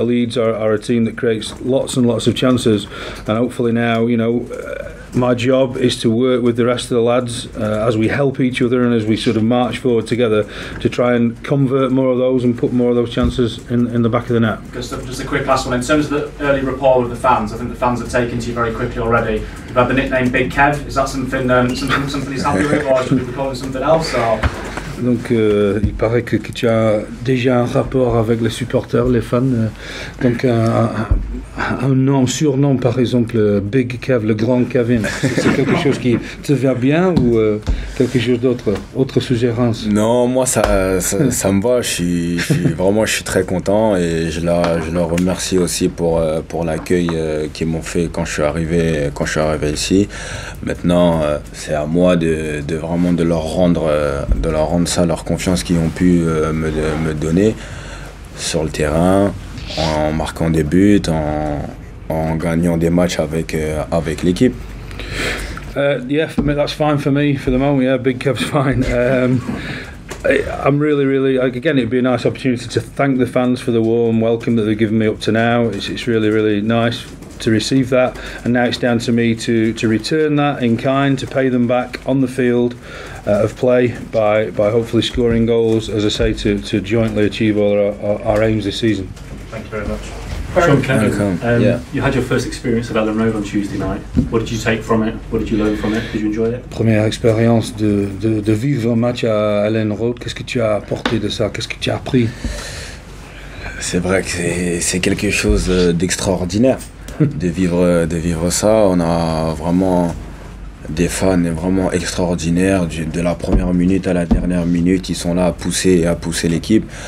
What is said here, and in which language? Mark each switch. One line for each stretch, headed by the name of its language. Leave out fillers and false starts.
English: Leeds are a team that creates lots and lots of chances, and hopefully now, you know, my job is to work with the rest of the lads as we help each other and as we sort of march forward together to try and convert more of those and put more of those chances in the back of the net. Just a quick last one. In terms of the early rapport with the fans, I think the fans have taken to you very quickly already. You've had the nickname Big Kev. Is that something he's happy with, or should we be calling something else? Or?
French: Donc, il paraît que tu as déjà un rapport avec les supporters, les fans. Donc, un nom, surnom, par exemple, Big Kev, le grand Kevin. C'est quelque chose qui te va bien ou quelque chose d'autre, autre suggérence? Non, moi, ça me va. Je suis vraiment très content et je leur remercie aussi pour l'accueil qu'ils m'ont fait quand je suis arrivé ici. Maintenant, c'est à moi de leur rendre ça, leur confiance qu'ils ont pu me donner sur le terrain, en marquant des buts, en gagnant des matchs avec l'équipe.
English: Yeah, for me, that's fine for me for the moment. Yeah, Big Kev's fine. I'm really, really, again, it'd be a nice opportunity to thank the fans for the warm welcome that they've given me up to now. It's really, really nice to receive that, and now it's down to me to return that in kind, to pay them back on the field of play by hopefully scoring goals, as I say, to jointly achieve all our aims this season. Thank you very much. Jean-Kevin, you had your first experience at Elland Road on Tuesday night. What did you take from it? What did you learn from it? Did you enjoy it?
French: Première expérience de vivre un match à Elland Road. Qu'est-ce que tu as apporté de ça? Qu'est-ce que tu as appris? C'est vrai que c'est quelque chose d'extraordinaire de vivre ça. On a vraiment des fans vraiment extraordinaires, de la première minute à la dernière minute, ils sont là à pousser et à pousser l'équipe.